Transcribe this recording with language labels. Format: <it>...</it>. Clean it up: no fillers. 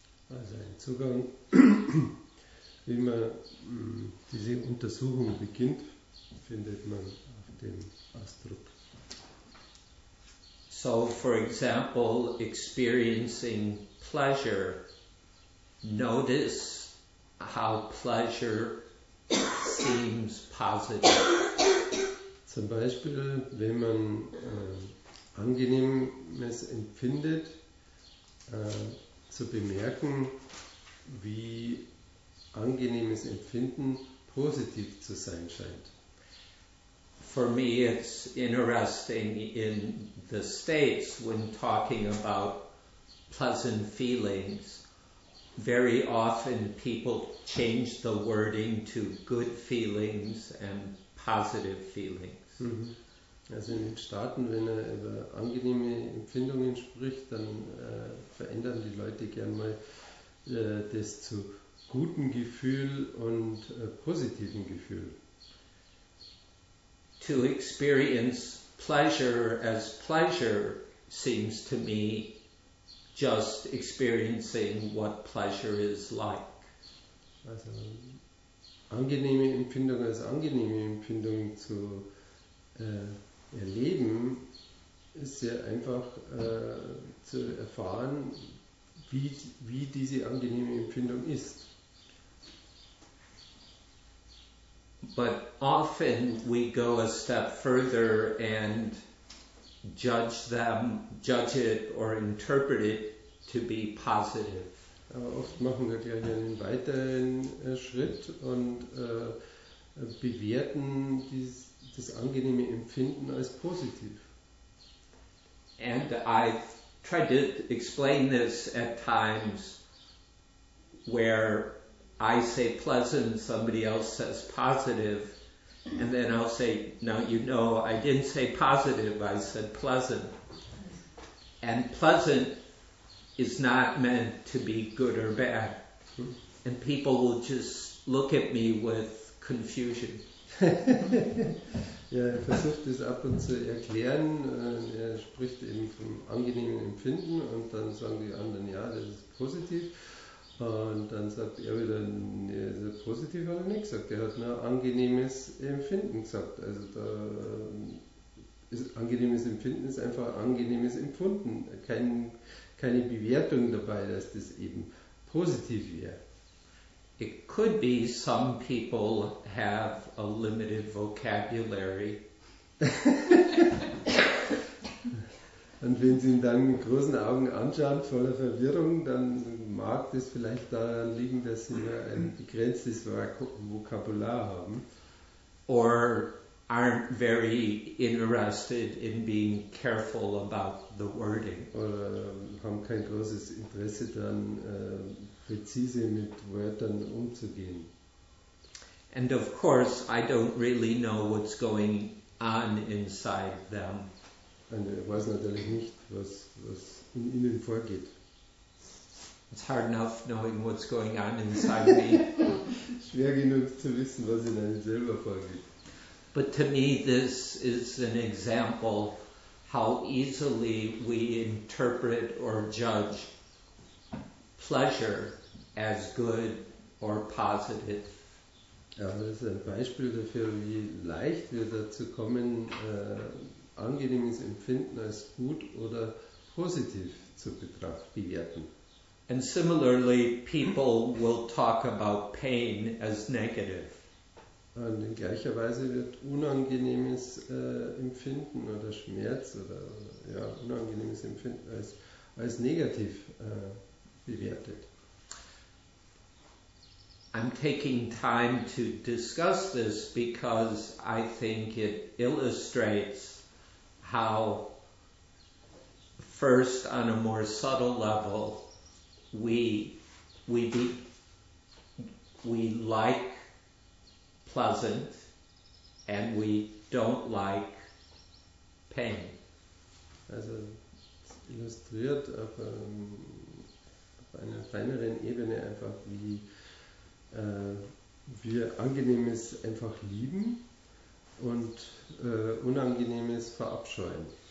<de>Also ein Zugang, wie man diese Untersuchung beginnt, findet man auf dem Ausdruck.</de> <en>So, for example, experiencing pleasure, notice how pleasure seems positive.</en> <de>Zum Beispiel, wenn man Angenehmes empfindet, zu bemerken, wie angenehmes Empfinden positiv zu sein scheint.</de> <en>For me, it's interesting in the States when talking about pleasant feelings. Very often people change the wording to good feelings and positive feelings. Mm-hmm.</en> <de>Also in den Staaten, wenn er über angenehme Empfindungen spricht, dann verändern die Leute gern mal das zu gutem Gefühl und positivem Gefühl.</de> <en>To experience pleasure as pleasure seems to me just experiencing what pleasure is like.</en> <de>Also, angenehme Empfindung als angenehme Empfindung zu erleben, ist sehr einfach zu erfahren, wie diese angenehme Empfindung ist.</de> <en>But often we go a step further and judge it or interpret it to be positive.</en> <de>Aber oft machen wir gleich einen weiteren Schritt und bewerten das angenehme Empfinden als positiv.</de> <en>And I tried to explain this at times where I say pleasant, somebody else says positive, and then I'll say, no, you know, I didn't say positive, I said pleasant. And pleasant is not meant to be good or bad. And people will just look at me with confusion.</en> <de>Ja, er versucht das ab und zu erklären. Er spricht eben vom angenehmen Empfinden und dann sagen die anderen, ja, das ist positiv. Und dann sagt er wieder, nee, das ist positiv, hat er nicht gesagt. Er hat nur angenehmes Empfinden gesagt. Also da ist angenehmes Empfinden ist einfach angenehmes Empfunden. Keine Bewertung dabei, dass das eben positiv wäre.</de> <en>It could be some people have a limited vocabulary.</en> <de>Und wenn Sie ihn dann mit großen Augen anschauen, voller Verwirrung, dann mag das vielleicht daran liegen, dass Sie nur ein begrenztes Vokabular haben.</de> <en>Or aren't very interested in being careful about the wording.</en> <de>Oder haben kein großes Interesse daran, präzise mit Wörtern umzugehen.</de> <en>And of course, I don't really know what's going on inside them.</en> <de>Und er weiß natürlich nicht, was in ihnen vorgeht.</de> <en>It's hard enough knowing what's going on inside me.</en> <de>Schwer genug zu wissen, was in einem selber vorgeht.</de> <en>But to me, this is an example how easily we interpret or judge pleasure as good or positive.</en> <de>Ja, das ist ein Beispiel dafür, wie leicht wir dazu kommen, angenehmes Empfinden als gut oder positiv zu bewerten.</de> <en>And similarly, people will talk about pain as negative.</en> <de>Und in gleicher Weise wird unangenehmes Empfinden oder Schmerz oder ja, unangenehmes Empfinden als negativ bewertet.</de> <en>I'm taking time to discuss this because I think it illustrates how, first on a more subtle level, we like pleasant and we don't like pain.</en> <de>Also es illustriert auf einer feineren Ebene einfach, wie wir Angenehmes einfach lieben und Unangenehmes verabscheuen.</de>